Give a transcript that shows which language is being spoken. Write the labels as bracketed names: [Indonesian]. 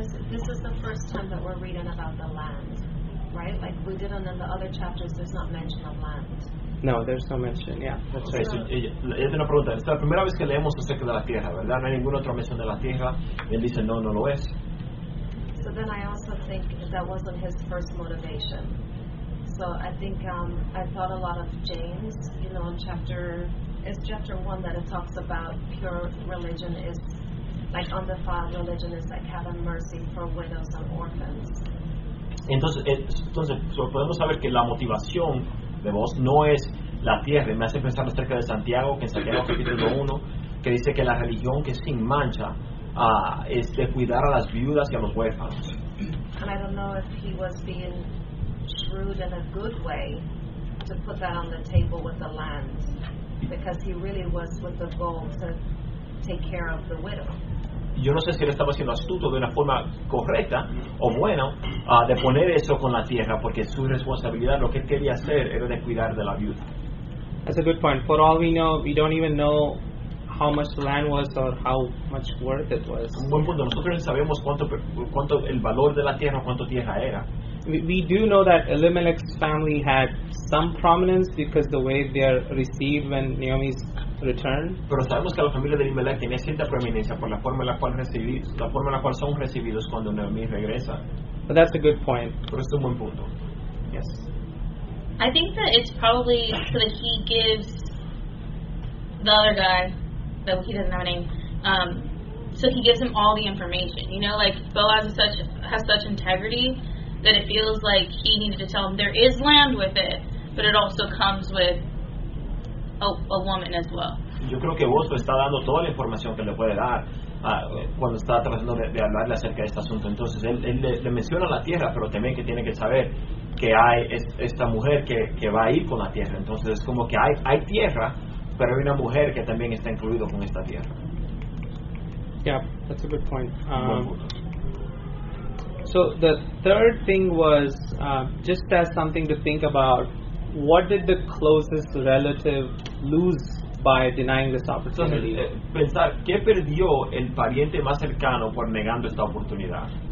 [English] This is the first time that we're reading about the land, right? Like we did in the other chapters, there's not mention of land. No, there's no mention, yeah. That's okay, right. [Spanish] Ella tiene una pregunta. Esta es la primera vez que leemos acerca de la tierra, ¿verdad? No hay ninguna otra mención de la tierra. Y él dice, no lo es. [English] So then I also think that wasn't his first motivation. So I think I thought a lot of James, you know, in chapter, it's chapter one that it talks about pure religion is, like on the file, religion is like having mercy for widows and orphans. [Spanish] Entonces, podemos saber que la motivación de vos no es la tierra. Me hace pensar acerca de Santiago, que en Santiago capítulo 1, que dice que la religión que es sin mancha es de cuidar a las viudas y a los huérfanos. [English] And I don't know if he was being shrewd in a good way to put that on the table with the land, because he really was with the goal to take care of the widow. [Spanish] Yo no sé si él estaba siendo astuto de una forma correcta o bueno de poner eso con la tierra, porque su responsabilidad, lo que él quería hacer, era de cuidar de la viuda. [English] That's a good point. For all we know, we don't even know how much the land was or how much worth it was. [Spanish] Un buen punto. Nosotros no sabemos cuánto el valor de la tierra o cuánto tierra era. [English] We do know that Elimelech's family had some prominence because the way they are received when Naomi's return. [Spanish] Pero sabemos que la familia de Elimelech tenía cierta prominencia por la forma en la cual son recibidos cuando Naomi regresa. [English] But that's a good point. [Spanish] Pero es un buen punto. [English] Yes. I think that it's probably so that he gives the other guy, that he doesn't have a name, so he gives him all the information. You know, like Boaz has such integrity that it feels like he needed to tell him there is land with it, but it also comes with a woman as well. [Spanish] Yo creo que Boaz está dando toda la información que le puede dar cuando está tratando de hablarle acerca de este asunto. Entonces él le menciona la tierra, pero también que tiene que saber que hay esta mujer que va a ir con la tierra. Entonces es como que hay tierra, pero hay una mujer que también está incluido con esta tierra. [English] Yeah, that's a good point. So the third thing was just as something to think about, what did the closest relative lose by denying this opportunity? [Spanish] Pensar, ¿qué perdió el pariente más cercano por negando esta oportunidad?